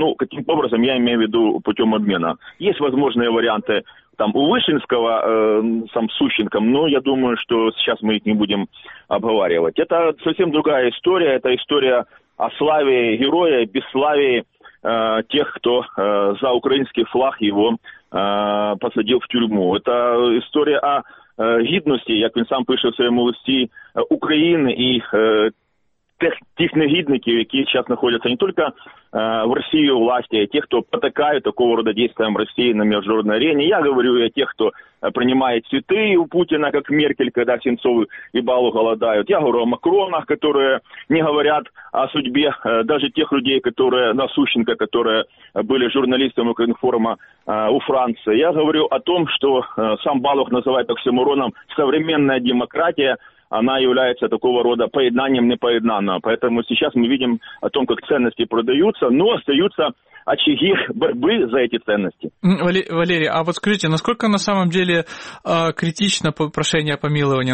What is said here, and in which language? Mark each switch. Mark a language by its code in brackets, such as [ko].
[ru] Ну, каким образом, я имею в виду путем обмена. Есть возможные варианты там у Вышинского сам Сущенком, но я думаю, что сейчас мы их не будем обговаривать. Это совсем другая история. Это история о славе героя, бесславии тех, кто за украинский флаг его посадил в тюрьму. Это история о [uk] гідності, як він сам пише в своєму листі, України і тих негідників, які зараз знаходяться не тільки в Росії у власті, а й тих, хто потакає такого роду дійствам Росії на міжнародній арені. Я говорю і о тих, хто приймає цвіти у Путіна, як Меркель, коли Сенцов і Балу голодають. Я говорю о Макронах, які не говорять о судьбі навіть тих людей, які на Сущенка, які були журналістами Укрінформа у Франції. [ru] Я говорю о том, [uk] що сам Балух називає оксимороном [ru] «современная демократія», она является такого рода поеднанием непоеднанного. Поэтому сейчас мы видим о том, как ценности продаются, но остаются очаги борьбы за эти ценности. Валерий, а вот скажите, насколько на самом деле критично прошение о помиловании?